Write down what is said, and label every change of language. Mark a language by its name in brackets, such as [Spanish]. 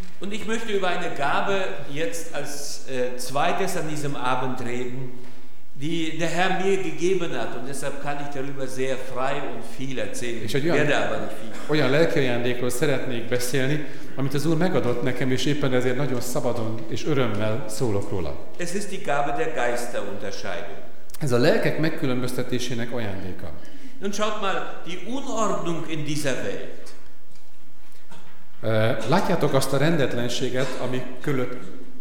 [German] Und ich möchte über eine Gabe jetzt als zweites an diesem Abend reden, die der Herr mir gegeben hat. Und deshalb kann ich darüber sehr frei und viel erzählen. Ich werde aber nicht viel. [Hungarian] Olyan lelki ajándékról szeretnék beszélni, amit az Úr megadott nekem, és éppen ezért nagyon szabadon és örömmel szólok róla. [German] Es ist die Gabe der Geisterunterscheidung. [Hungarian] Ez a lelkek megkülönböztetésének ajándéka. [German] Nun schaut mal, die Unordnung in dieser Welt. [Hungarian] Látjátok azt a rendetlenséget, ami körülött...